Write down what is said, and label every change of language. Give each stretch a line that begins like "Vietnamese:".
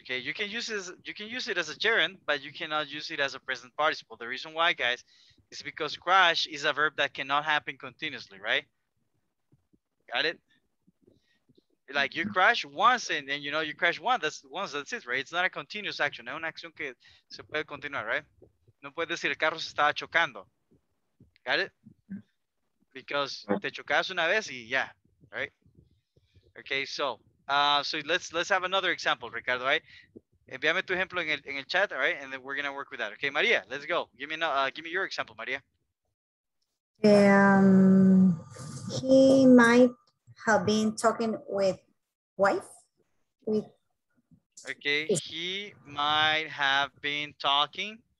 English: Okay, you can use it as a gerund, but you cannot use it as a present participle. The reason why, guys, is because crash is a verb that cannot happen continuously, right? Got it? Like you crash once and you know you crash once, that's it, right? It's not a continuous action.
Spanish: Es una acción que se puede continuar, right? No puedes decir el carro se estaba chocando.
English: Got it? Because
Spanish: te chocas una vez y ya,
English: right? Okay, so let's have another example, Ricardo, right?
Spanish: Envíame tu ejemplo en el chat, all right?
English: And then we're going to work with that. Okay, Maria, let's go. Give me your example, Maria. He might have been talking with wife. He might have been talking